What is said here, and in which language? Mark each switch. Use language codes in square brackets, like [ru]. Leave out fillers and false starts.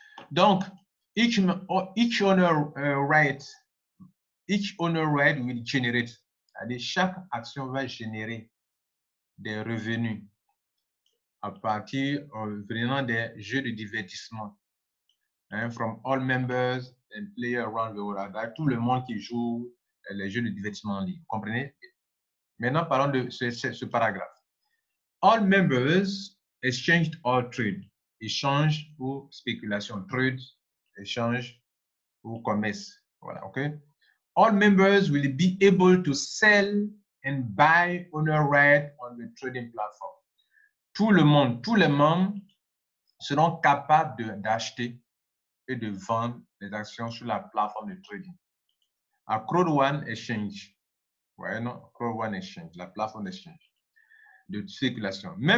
[fr] Donc, [en] each owner right will generate, [fr] c'est-à-dire chaque action va générer des revenus à partir venant des jeux de divertissement. [en] Hein, from all members and players around the world. [fr] Tout le monde qui joue les jeux de divertissement en ligne. Vous comprenez? Maintenant, parlons de ce paragraphe. [en] All members exchanged or trade. [fr] Échange ou spéculation. Trade, échange ou commerce. Voilà, OK? [en] All members will be able to sell and buy owner right on the trading platform. [fr] Tout le monde, tous les membres seront capables d'acheter et de vendre les actions sur la plateforme de trading. À Crowd One Exchange, ouais, non, Crowd One Exchange, la plateforme d'exchange de circulation.